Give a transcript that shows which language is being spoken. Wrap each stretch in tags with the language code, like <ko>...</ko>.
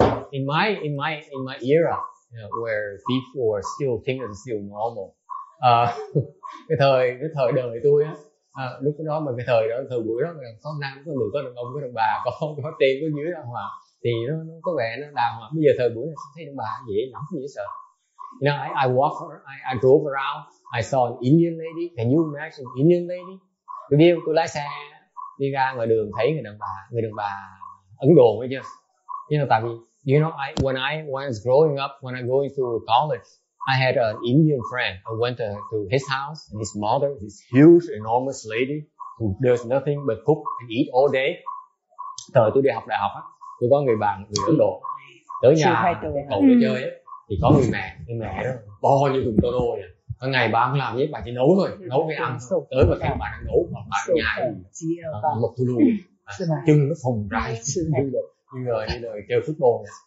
<en>In my era, you know, where people are still think it's still normal.</en> <vi>cái thời đời tôi á, lúc đó mà cái thời đó, thời buổi đó là có nam có nữ, có đàn ông có đàn bà, có trên có dưới đàng hoàng, thì nó có vẻ nó đàng hoàng. Bây giờ thời buổi này thấy đàn bà dễ nóng dễ sợ.</vi> <en>You know, I drove around, I saw an Indian lady. Can you imagine Indian lady?</en> <vi>Tôi lái xe đi ra ngoài đường thấy người đàn bà Ấn Độ ấy chứ.</vi> <en>You know,</en> <vi>tại vì</vi> <en>you know when I was growing up, when I going to college, I had an Indian friend. I went to his house, and his mother, this huge, enormous lady who does nothing but cook and eat all day.</en> <vi>Thời tôi đi học đại học á, tôi có người bạn người Ấn Độ tới nhà cậu để chơi á, thì có người mẹ đó to như thùng tô đôi à. Có ngày bà không làm gì, bà chỉ nấu thôi, nấu cái ăn. Tới mà thấy bà đang nấu, bà ở nhà một thùng lùi, chân nó phồng rai, như người chơi football.</vi>